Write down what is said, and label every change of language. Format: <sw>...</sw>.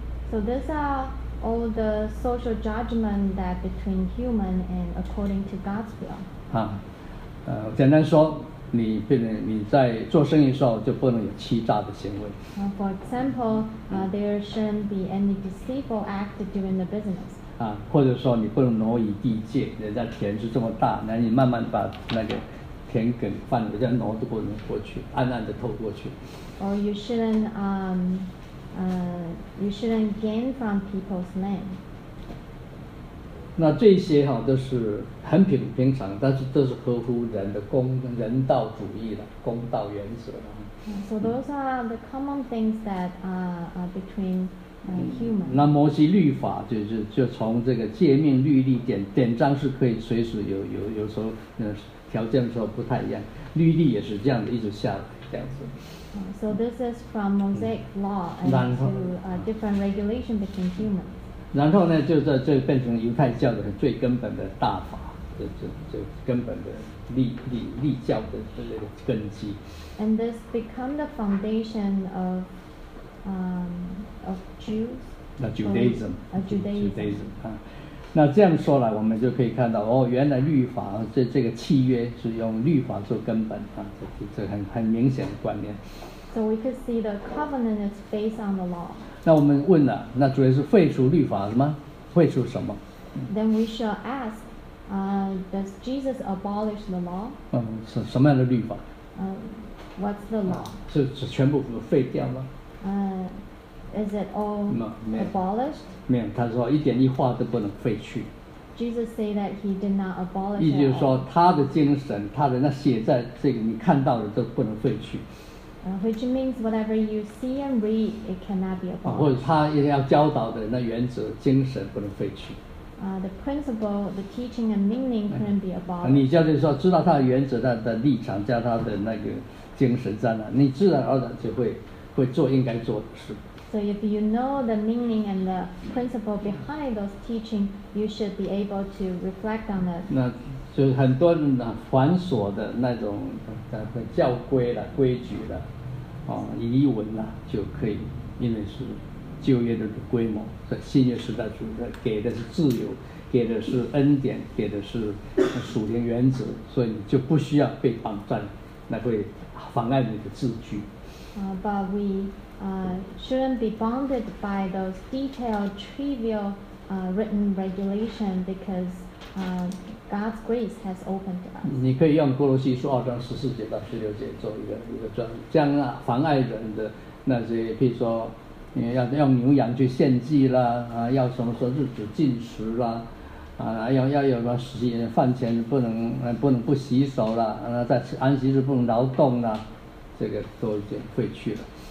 <en>So these are all the social judgment that between human and according to God's will.</en> <zh>简单说，你不能你在做生意的时候就不能有欺诈的行为。</zh> <en>For example, there shouldn't be any deceitful act during the business.</en> <zh>或者说你不能挪移地界，人家田是这么大，那你慢慢把那个田埂放，人家挪都不能过去，暗暗的透过去。</zh> <en>Or you shouldn't gain from people's land.</en> <zh>那这些哈都是很平常，但是都是合乎人的人道主义的公道原则的。</zh> <en>So those are the common things that are between humans.</en> <zh>那摩西律法就从这个诫命律例典章是可以随时有时候条件说不太一样，律例也是这样的一直下来这样子。</zh> <en>So this is from Mosaic law and to a different regulation between humans.</en> <zh>然后呢，就这变成犹太教的最根本的大法，就根本的立教的根基。</zh> <en>And this become the foundation of Jews. Judaism. Judaism.</en> <zh>那这样说来，我们就可以看到哦，原来律法这个契约是用律法做根本啊，这很明显的观念。</zh> <en>So we could see the covenant is based on the law.</en> <zh>那我们问了，那主要是废除律法什么？废除什么</zh> <en>？Then we shall ask, does Jesus abolish the law?</en> <zh>是什么样的律法？</zh> <en>What's the law?</en> <zh>是全部废掉吗？</zh> <en>Is it all abolished?</en> <zh>没有，他说一点一画都不能废去。</zh> <en>Jesus said that he did not abolish.</en> <zh>意思就是说，他的精神，他的那写在这个你看到的都不能废去。</zh> <en>Which means whatever you see and read, it cannot be abolished.</en> <zh>或者他一定要教导的那原则精神不能废去。</zh> <en>The principle, the teaching and meaning couldn't be abolished.</en> <zh>你就是说知道他的原则、他的立场、加他的那个精神在哪，你自然而然就会做应该做的事。</zh> <en>So if you know the meaning and the principle behind those teaching, you should be able to reflect on it.</en> <zh>那就很多繁琐的那种教规了、规矩了、仪文了，就可以，因为是旧约的规模，在新约时代主的给的是自由，给的是恩典，给的是属灵原则，所以你就不需要被绑在，那会妨碍你的自居。</zh> <en>But we shouldn't be bounded by those detailed, trivial written regulation because God's grace has opened us.</en> <zh>你可以用哥罗西书二章十四节到十六节做一个专门，这样妨碍人的那些，比如说要用牛羊去献祭啦，要什么说日子禁食啦，要有什么饭前不能不洗手啦，在安息日不能劳动啦，这个都已经废去了。</zh>